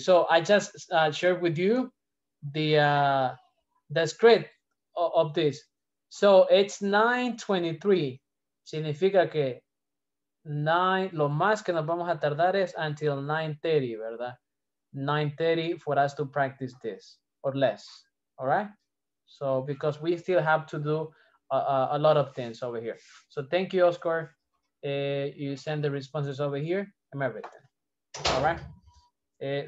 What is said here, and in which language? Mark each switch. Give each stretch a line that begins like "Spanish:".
English: So I just shared with you the script of this. So it's 9:23.
Spanish: Significa que 9, lo más que nos vamos a tardar es
English: until 9:30,
Spanish: ¿verdad?
English: 9:30 for us to practice this, or less, all right? So, because we still have to do a lot of things over here. So, thank you, Oscar. You send the responses over here, and everything, all right?